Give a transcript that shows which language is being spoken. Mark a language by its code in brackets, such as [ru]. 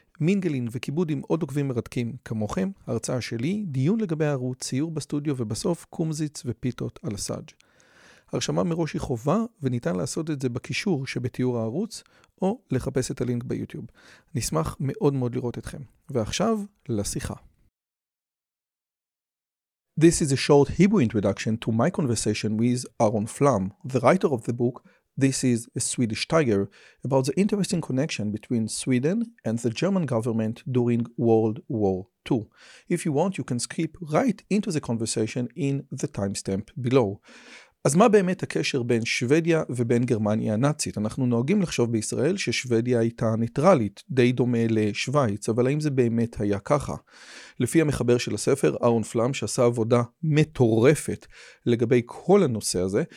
[he] מינגלין וכיבוד עם עוד עוקבים מרתקים כמוכם, הרצאה שלי, דיון לגבי הערוץ, ציור בסטודיו ובסוף קומזיץ ופיתות על הסאג'. הרשמה מראש היא חובה וניתן לעשות את זה בקישור שבתיאור הערוץ או לחפש את הלינק ביוטיוב. נשמח מאוד מאוד לראות אתכם. ועכשיו לשיחה. [en] This is a short Hebrew introduction to my conversation with Aaron Flam, the writer of the book This is a Swedish Tiger, about the interesting connection between Sweden and the German government during World War II. If you want, you can skip right into the conversation in the timestamp below. [he] אז מה באמת הקשר בין שוודיה ובין גרמניה הנאצית? אנחנו נוהגים לחשוב בישראל ששוודיה הייתה ניטרלית, די דומה לשוויץ, אבל האם זה באמת היה ככה? לפי המחבר של הספר, אהרון פלם, שעשה עבודה מטורפת לגבי כל הנושא הזה.